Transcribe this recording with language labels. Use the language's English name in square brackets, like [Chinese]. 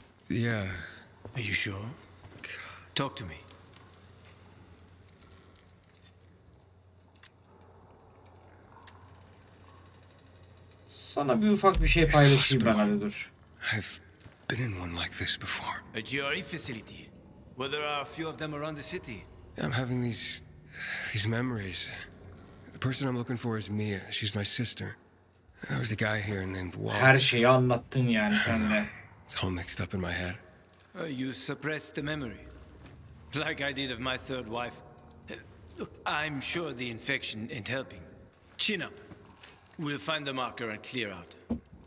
[English] Yeah. Are you sure? Talk to me. [Turkish] Sana bir ufak bir şey paylaşayım ben, hadi dur. [English] I've been in one like this before. A GRE facility. Where there are a few of them around the city. I'm having these memories. The person I'm looking for is Mia. She's my sister. There was a guy here named Walt. [Turkish] Her şeyi anlattın yani sen de. [English] It's all mixed up in my head. You suppressed the memory. Like I did of my third wife. Look, I'm sure the infection ain't helping. Chin up. We'll find the marker and clear out.